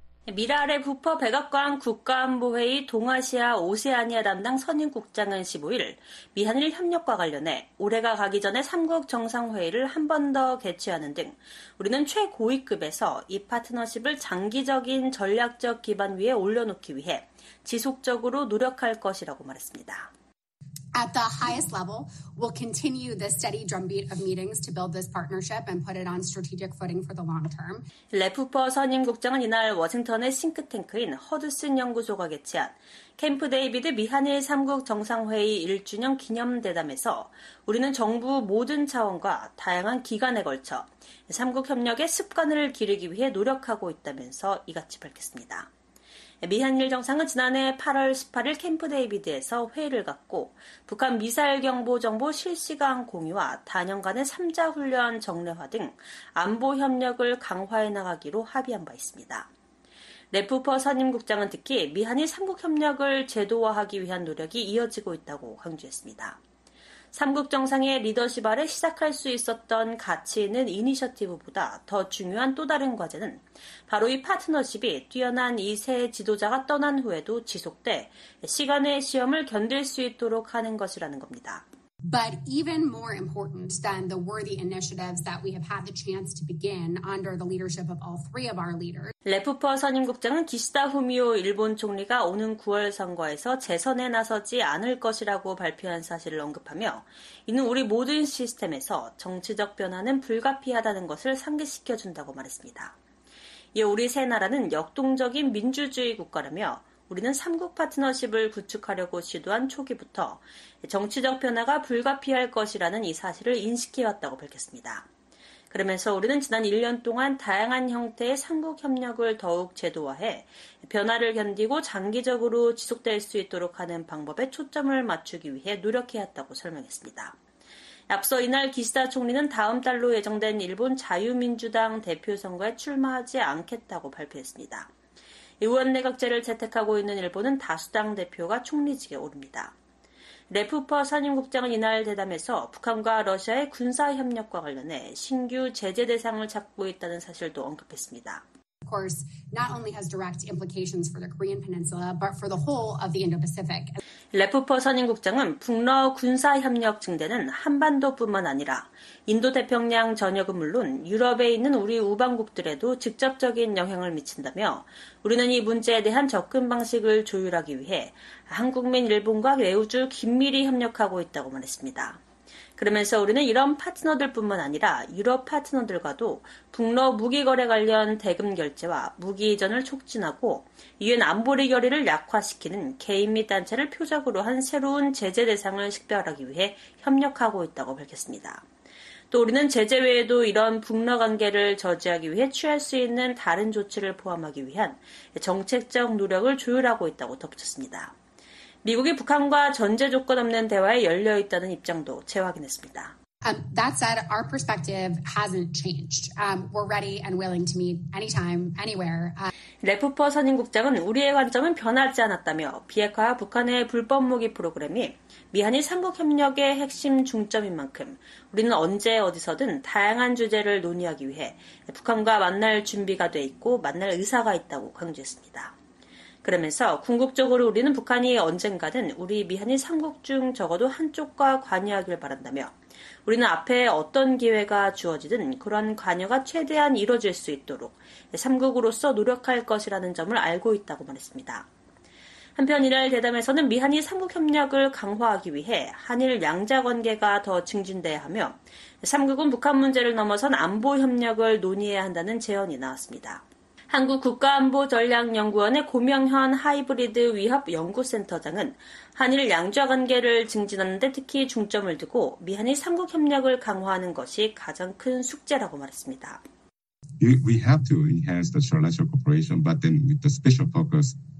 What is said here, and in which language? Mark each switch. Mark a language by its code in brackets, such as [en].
[ko] 미랄의 부퍼 백악관 국가안보회의 동아시아 오세아니아 담당 선임국장은 15일 미한일 협력과 관련해 올해가 가기 전에 3국 정상회의를 한 번 더 개최하는 등 우리는 최고위급에서 이 파트너십을 장기적인 전략적 기반 위에 올려놓기 위해 지속적으로 노력할 것이라고 말했습니다. [en] At the highest level, we'll continue the steady drumbeat of meetings to build this partnership and put it on strategic footing for the long term. [ko] 레프퍼 선임 국장은 이날 워싱턴의 싱크탱크인 허드슨 연구소가 개최한 캠프 데이비드 미한일 3국 정상회의 1주년 기념 대담에서 우리는 정부 모든 차원과 다양한 기관에 걸쳐 3국 협력의 습관을 기르기 위해 노력하고 있다면서 이같이 밝혔습니다. 미한일 정상은 지난해 8월 18일 캠프 데이비드에서 회의를 갖고 북한 미사일 경보 정보 실시간 공유와 단연간의 3자 훈련 정례화 등 안보 협력을 강화해 나가기로 합의한 바 있습니다. 레프퍼 선임 국장은 특히 미한일 3국 협력을 제도화하기 위한 노력이 이어지고 있다고 강조했습니다. 3국 정상의 리더십 아래 시작할 수 있었던 가치 있는 이니셔티브보다 더 중요한 또 다른 과제는 바로 이 파트너십이 뛰어난 이 세 지도자가 떠난 후에도 지속돼 시간의 시험을 견딜 수 있도록 하는 것이라는 겁니다. [en] But even more important than the worthy initiatives that we have had the chance to begin under the leadership of all three of our leaders. [ko] 레프퍼 선임 국장은 기시다 후미오 일본 총리가 오는 9월 선거에서 재선에 나서지 않을 것이라고 발표한 사실을 언급하며 이는 우리 모든 시스템에서 정치적 변화는 불가피하다는 것을 상기시켜준다고 말했습니다. 이 우리 세 나라는 역동적인 민주주의 국가라며 우리는 3국 파트너십을 구축하려고 시도한 초기부터 정치적 변화가 불가피할 것이라는 이 사실을 인식해왔다고 밝혔습니다. 그러면서 우리는 지난 1년 동안 다양한 형태의 3국 협력을 더욱 제도화해 변화를 견디고 장기적으로 지속될 수 있도록 하는 방법에 초점을 맞추기 위해 노력해왔다고 설명했습니다. 앞서 이날 기시다 총리는 다음 달로 예정된 일본 자유민주당 대표선거에 출마하지 않겠다고 발표했습니다. 의원내각제를 채택하고 있는 일본은 다수당 대표가 총리직에 오릅니다. 레프퍼 선임국장은 이날 대담에서 북한과 러시아의 군사협력과 관련해 신규 제재 대상을 찾고 있다는 사실도 언급했습니다. [en] Of course, not only has direct implications for the Korean Peninsula, but for the whole of the Indo-Pacific. [ko] 레프퍼 선임 국장은 북러 군사 협력 증대는 한반도뿐만 아니라 인도태평양 전역은 물론 유럽에 있는 우리 우방국들에도 직접적인 영향을 미친다며 우리는 이 문제에 대한 접근 방식을 조율하기 위해 한국민 일본과 매우 긴밀히 협력하고 있다고 말했습니다. 그러면서 우리는 이런 파트너들뿐만 아니라 유럽 파트너들과도 북러 무기 거래 관련 대금 결제와 무기 이전을 촉진하고 유엔 안보리 결의를 약화시키는 개인 및 단체를 표적으로 한 새로운 제재 대상을 식별하기 위해 협력하고 있다고 밝혔습니다. 또 우리는 제재 외에도 이런 북러 관계를 저지하기 위해 취할 수 있는 다른 조치를 포함하기 위한 정책적 노력을 조율하고 있다고 덧붙였습니다. 미국이 북한과 전제 조건 없는 대화에 열려 있다는 입장도 재확인했습니다. [en] That said, our perspective hasn't changed. We're ready and willing to meet anytime, anywhere. [ko] 레프퍼 선임 국장은 우리의 관점은 변하지 않았다며 비핵화와 북한의 불법 무기 프로그램이 미한일 3국 협력의 핵심 중점인 만큼 우리는 언제 어디서든 다양한 주제를 논의하기 위해 북한과 만날 준비가 돼 있고 만날 의사가 있다고 강조했습니다. 그러면서 궁극적으로 우리는 북한이 언젠가는 우리 미한일 3국 중 적어도 한쪽과 관여하길 바란다며 우리는 앞에 어떤 기회가 주어지든 그런 관여가 최대한 이뤄질 수 있도록 3국으로서 노력할 것이라는 점을 알고 있다고 말했습니다. 한편 이날 대담에서는 미한일 3국 협력을 강화하기 위해 한일 양자 관계가 더 증진돼야 하며 3국은 북한 문제를 넘어선 안보 협력을 논의해야 한다는 제언이 나왔습니다. 한국 국가안보전략연구원의 고명현 하이브리드 위협연구센터장은 한일 양자 관계를 증진하는 데 특히 중점을 두고 미한일 3국 협력을 강화하는 것이 가장 큰 숙제라고 말했습니다. [en] We have to enhance the strategic cooperation, but then with the special focus